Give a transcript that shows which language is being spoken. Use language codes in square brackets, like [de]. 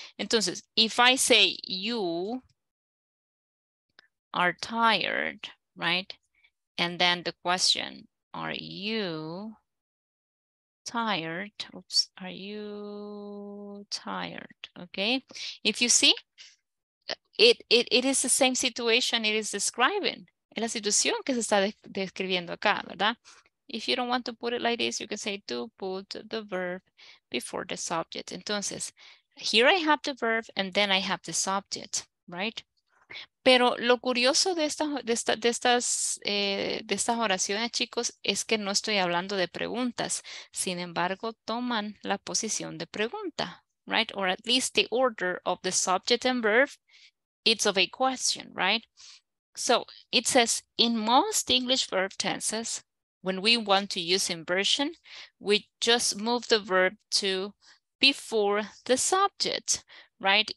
[en] Entonces, if I say you are tired, right? And then the question, are you tired? Oops, are you tired? Okay, if you see, it is the same situation it is describing. [es] Es la situación que se está describiendo acá, ¿verdad? [en] If you don't want to put it like this, you can say to put the verb before the subject. Entonces, here I have the verb and then I have the subject, right? [es] Pero lo curioso de estas oraciones, chicos, es que no estoy hablando de preguntas. Sin embargo, toman la posición de pregunta, right? [en] Or at least the order of the subject and verb, it's of a question, right? So it says in most English verb tenses, when we want to use inversion, we just move the verb to before the subject, right?